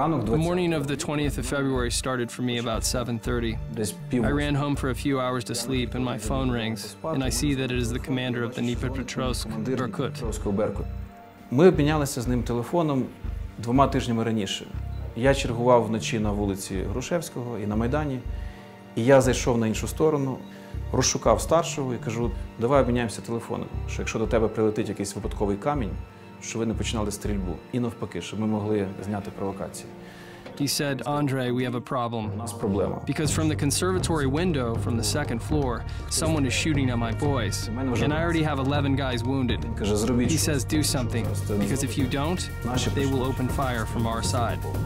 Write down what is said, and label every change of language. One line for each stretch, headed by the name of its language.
English: The morning of the 20th of February started for me about 7:30. I ran home for a few hours to sleep, and my phone rings, and I see that it is the commander of the Dnipropetrovsk, Berkut.
Ukrainian: Ми обмінялися з ним телефоном двома тижнями раніше. Я чергував вночі на вулиці Грушевського і на Майдані. І я зайшов на іншу сторону, розшукав старшого і кажу, давай обміняємося телефоном, що якщо до тебе прилетить якийсь випадковий камінь, що ви не починали стрільбу. І навпаки, щоб ми могли зняти провокацію.
English: He said, Andre, we have a problem.
Ukrainian: У нас проблема.
English: Because from the conservatory window, from the second floor, someone is shooting at my boys. And I already have 11 guys wounded.
Ukrainian: Каже, зробіть.
English: He says, do something. Because if you don't, they will open fire from our side.